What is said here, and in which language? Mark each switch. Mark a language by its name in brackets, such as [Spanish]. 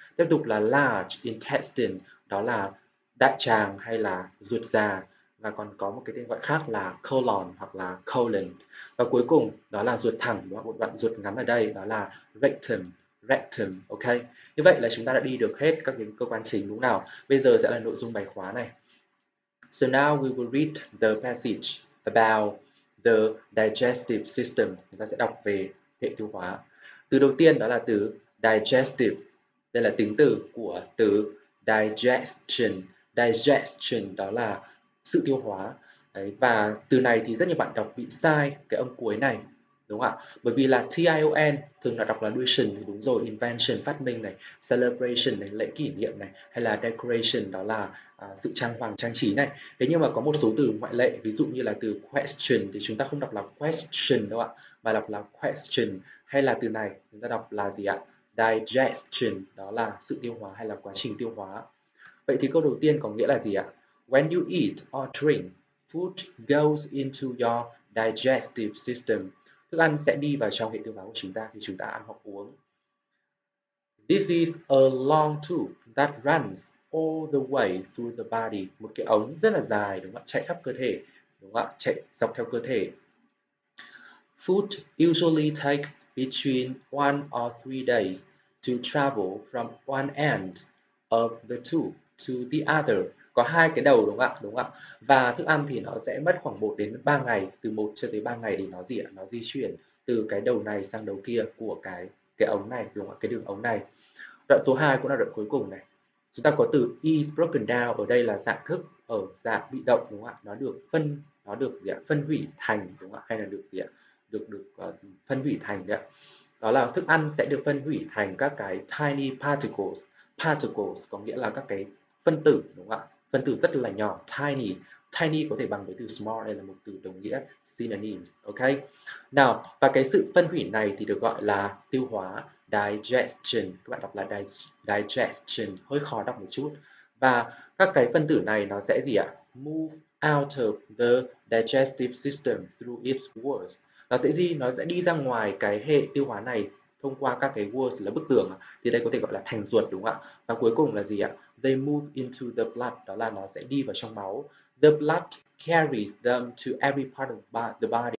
[Vietnamese] Tiếp tục là large intestine, đó là đại tràng hay là ruột già. Và còn có một cái tên gọi khác là colon hoặc là colon. Và cuối cùng đó là ruột thẳng, đúng không? Một đoạn ruột ngắn ở đây, đó là rectum, ok. Như vậy là chúng ta đã đi được hết các cái cơ quan chính, đúng nào? Bây giờ sẽ là nội dung bài khóa này. [English] So now we will read the passage about the digestive system. [Vietnamese] Chúng ta sẽ đọc về hệ tiêu hóa. Từ đầu tiên đó là từ digestive. Đây là tính từ của từ digestion. Digestion đó là sự tiêu hóa. Đấy, và từ này thì rất nhiều bạn đọc bị sai cái âm cuối này, đúng không ạ? Bởi vì là tion thường là đọc là luition thì đúng rồi, invention phát minh này, celebration này, lễ kỷ niệm này, hay là decoration đó là sự trang hoàng trang trí này. Thế nhưng mà có một số từ ngoại lệ, ví dụ như là từ question thì chúng ta không đọc là question đâu ạ, mà đọc là question. Hay là từ này chúng ta đọc là gì ạ? Digestion, đó là sự tiêu hóa hay là quá trình tiêu hóa. Vậy thì câu đầu tiên có nghĩa là gì ạ? [English] When you eat or drink, food goes into your digestive system. [Vietnamese] Thức ăn sẽ đi vào trong hệ tiêu hóa của chúng ta khi chúng ta ăn hoặc uống. [English] This is a long tube that runs all the way through the body. [Vietnamese] Một cái ống rất là dài, đúng không ạ? Chạy khắp cơ thể, đúng không ạ? Chạy dọc theo cơ thể. [English] Food usually takes between 1 or 3 days to travel from one end of the tube to the other. [Vietnamese] Có hai cái đầu, đúng không ạ? Đúng không ạ? Và thức ăn thì nó sẽ mất khoảng 1 đến 3 ngày, từ 1 cho tới 3 ngày để nó gì ạ? Nó di chuyển từ cái đầu này sang đầu kia của cái ống này, đúng không ạ? Cái đường ống này. Đoạn số 2 cũng là đoạn cuối cùng này. Chúng ta có từ is broken down, ở đây là dạng thức ở dạng bị động, đúng không ạ? Nó được phân hủy thành, đúng không ạ? Hay là được gì ạ? Phân hủy thành đấy ạ. Đó là thức ăn sẽ được phân hủy thành các cái tiny particles. Particles có nghĩa là các cái phân tử, đúng không ạ? Phân tử rất là nhỏ, tiny. Tiny có thể bằng với từ small, đây là một từ đồng nghĩa, synonyms, ok? Nào, và cái sự phân hủy này thì được gọi là tiêu hóa, digestion. Các bạn đọc là digestion, hơi khó đọc một chút. Và các cái phân tử này nó sẽ gì ạ? [English] Move out of the digestive system through its walls. [Vietnamese] Nó sẽ đi ra ngoài cái hệ tiêu hóa này thông qua các cái walls là bức tường, thì đây có thể gọi là thành ruột, đúng không ạ? Và cuối cùng là gì ạ? [English] They move into the blood, [Vietnamese] đó là nó sẽ đi vào trong máu. [English] The blood carries them to every part of the body.